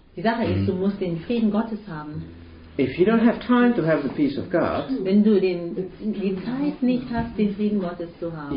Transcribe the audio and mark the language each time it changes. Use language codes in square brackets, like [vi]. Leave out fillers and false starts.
[de] Die Sache ist, du musst den Frieden Gottes haben. [en] If you don't have time to have the peace of God, [de] wenn du die Zeit nicht hast, den Frieden Gottes zu haben,